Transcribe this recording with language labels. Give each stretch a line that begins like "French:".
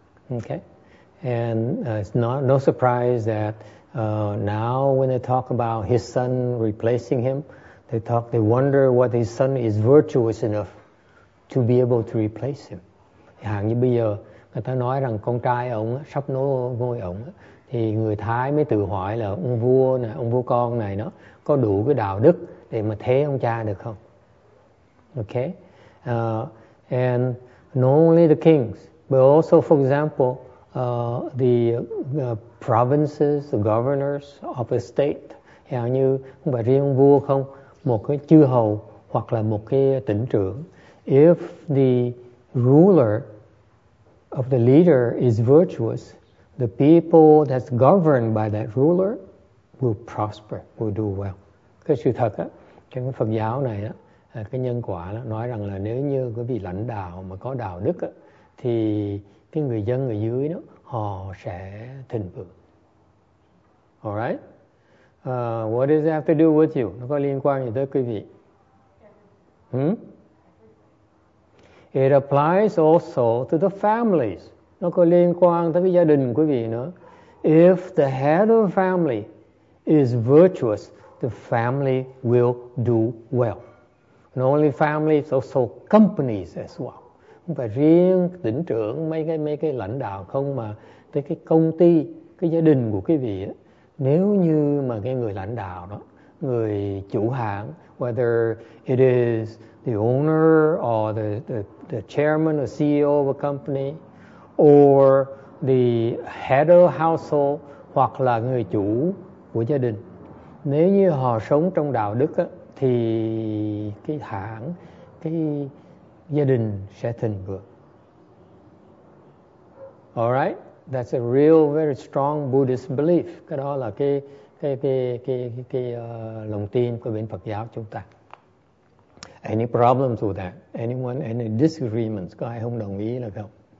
English: Okay, and it's not no surprise that now when they talk about his son replacing him, they wonder what his son is virtuous enough to be able to replace him.
Vietnamese: Hàng như bây giờ người ta nói rằng con trai ông sắp nối ngôi ông, thì người Thái mới tự hỏi là ông vua này, ông vua con này nó có đủ cái đạo đức để mà thế ông cha được không?
English: Okay, and not only the kings. But also, for example, the provinces, the governors of a state.
Vietnamese: Hàng như không phải riêng vua không, một cái chư hầu hoặc là một cái tỉnh trưởng.
English: If the ruler of the leader is virtuous, the people that's governed by that ruler will prosper, will do well.
Vietnamese: Cái sự thật á, cái Phật giáo này á, cái nhân quả đó, nói rằng là nếu như quý vị lãnh đạo mà có đạo đức á, thì cái người dân ở dưới đó họ sẽ thịnh vượng.
English: All right? What does it have to do with you?
Vietnamese: Nó có liên quan gì tới quý vị?
English: It applies also to the families.
Vietnamese: Nó có liên quan tới cái gia đình quý vị nữa.
English: If the head of the family is virtuous, the family will do well. Not only families, also companies as well.
Vietnamese: Không phải riêng tỉnh trưởng mấy cái lãnh đạo không, mà tới cái công ty, cái gia đình của quý vị á, nếu như mà cái người lãnh đạo đó, người chủ hãng,
English: whether it is the owner or the chairman or CEO of a company or the head of household,
Vietnamese: hoặc là người chủ của gia đình, nếu như họ sống trong đạo đức á, thì cái hãng, cái gia đình sẽ thịnh vượng.
English: All right, that's a real very strong Buddhist belief.
Vietnamese: Cái đó là cái lòng tin của bên Phật giáo chúng ta.
English: Any problems with that? Anyone any disagreements?
Vietnamese: Có ai không đồng ý là không?